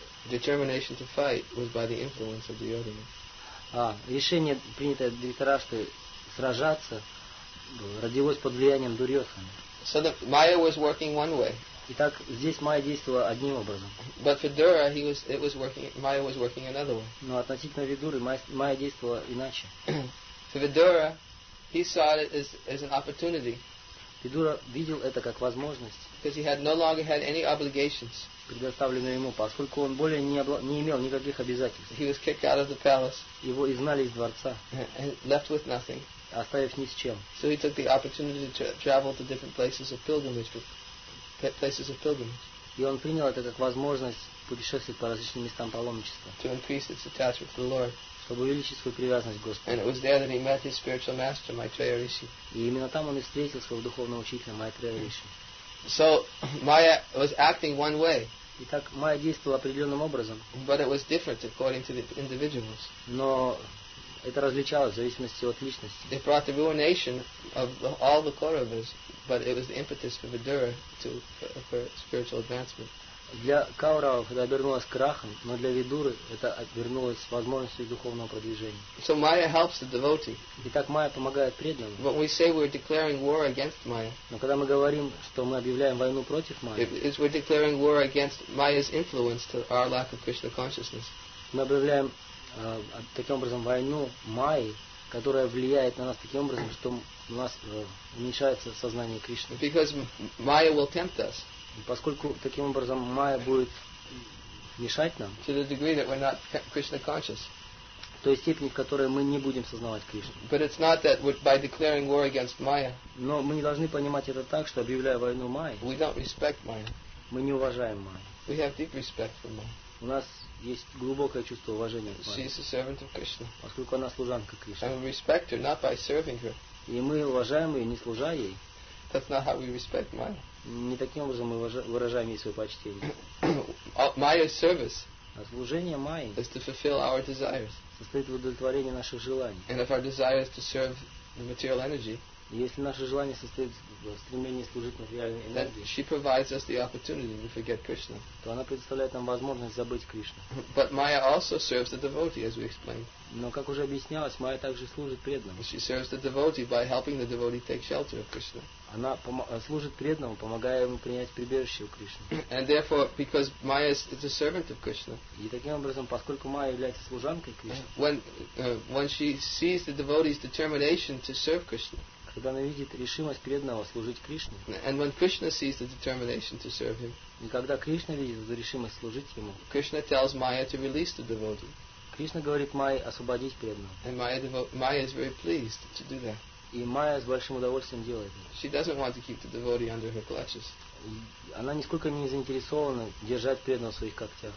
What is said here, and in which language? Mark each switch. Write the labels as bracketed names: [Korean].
[English] determination to fight was by the influence of Duryodhana. [Russian] Решение, принятое Дхритарашты сражаться, родилось под влиянием Дурьотхана. [English] So the Maya was working one way. [Russian] Итак, здесь Майя действовала одним образом. [English] But Vidura, Maya was working another way. [Russian] Но относительно Видуры, Майя действовала иначе. [English] For Vidura, he saw it as an opportunity. [Russian] Видура видел это как возможность. [English] Because he had no longer had any obligations. [Russian] Предоставленные ему, поскольку он более не имел никаких обязательств. [English] He was kicked out of the palace. [Russian] Его изгнали из дворца. [English] And left with nothing. [Russian] Оставив ни с чем. [English] So he took the opportunity to travel to different places of pilgrimage. Places of pilgrimage. [Russian] И он принял это как возможность путешествовать по различным местам паломничества. [English] To increase its attachment to the Lord. [Russian] Чтобы увеличить свою привязанность к Господу. [English] And it was there that he met his spiritual master, Maitreya Rishi. [Russian] И именно там он и встретил своего духовного учителя Maitreya Rishi. [English] So Maya was acting one way. [Russian] Итак, Maya действовала определенным образом. [English] But it was different according to the individuals. [Russian] Но это различалось в зависимости от личности. [English] It brought the ruination of all the Kauravas. But it was the impetus for Vidura to for spiritual advancement. [Russian] Для Каурава это обернулось крахом, но для Видуры это обернулось возможностью духовного продвижения. [English] So Maya helps the devotee. [Russian] Итак, Майя помогает преданному. [English] But we say we're declaring war against Maya. [Russian] Но когда мы говорим, что мы объявляем войну против Майи, [English] it's we're declaring war against Maya's influence to our lack of Krishna consciousness. [Russian] Мы объявляем таким образом войну Майи, которая влияет на нас таким образом, что у нас уменьшается сознание Кришны. [English] Because Maya will tempt us. [Russian] Поскольку таким образом Майя будет мешать нам. [English] To the degree that we're not Krishna conscious. [Russian] В той степени, в которой мы не будем сознавать Кришну. [English] But it's not that by declaring war against Maya. [Russian] Но мы не должны понимать это так, что объявляя войну Майе. [English] We don't respect Maya. [Russian] Мы не уважаем Майю. [English] We have deep respect for Maya. [Russian] У нас есть глубокое чувство уважения к [English] Майе. She is a servant of Krishna. [Russian] Поскольку она служанка Кришны. [English] And we respect her not by serving her. [Russian] И мы уважаем ее, не служа ей. [English] That's not how we respect Maya. [Russian] Не таким образом мы выражаем ей свое почтение. [English] Maya's service. [Russian] А служение Майи. [English] Is to fulfill our desires. [Russian] Состоит в удовлетворении наших желаний. [English] And if our desire is to serve the material energy. [Russian] Если наше желание состоит в стремлении служить материальной энергии, [English] she provides us the opportunity to forget Krishna. [Russian] То она предоставляет нам возможность забыть Кришну. [English] But Maya also serves the devotee, as we explained. [Russian] Но как уже объяснялось, Майя также служит преданному. [English] She serves the devotee by helping the devotee take shelter of Krishna. [Russian] Она служит преданному, помогая ему принять прибежище у Кришны. [English] And therefore, because Maya is a servant of Krishna. [Russian] И таким образом, поскольку Майя является служанкой Кришны. [English] When she sees the devotee's determination to serve Krishna. [Russian] Когда она видит решимость преданного служить Кришне. [English] And when Krishna sees the determination to serve him. [Russian] И когда Кришна видит решимость служить ему. [English] Krishna tells Maya to release the devotee. [Russian] Кришна говорит Майе освободить преданного. [English] And Maya is very pleased to do that. [Russian] И Майя с большим удовольствием делает это. [English] She doesn't want to keep the devotee under her clutches. [Russian] Она нисколько не заинтересована держать преданного в своих когтях.